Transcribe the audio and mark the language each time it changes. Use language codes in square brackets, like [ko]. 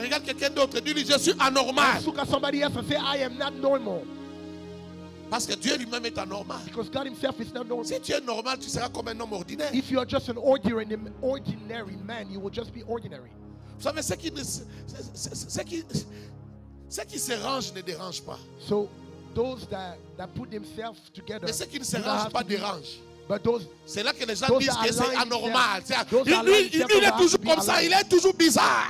[fr] Regarde quelqu'un d'autre, dis-lui, je suis anormal. [en] Look at somebody else and say, I am not normal. [fr] Parce que Dieu lui-même est anormal. [en] Because God himself is not normal. [fr] Si tu es normal, tu seras comme un homme ordinaire. [en] If you are just an ordinary man, you will just be ordinary. [fr] Vous savez, ceux qui se rangent ne dérangent pas. [en] So those that put themselves together, [fr] mais ceux qui ne se rangent pas dérangent. [en] But those, [fr] c'est là que les gens disent que c'est anormal. Il est toujours comme ça. Il est toujours bizarre.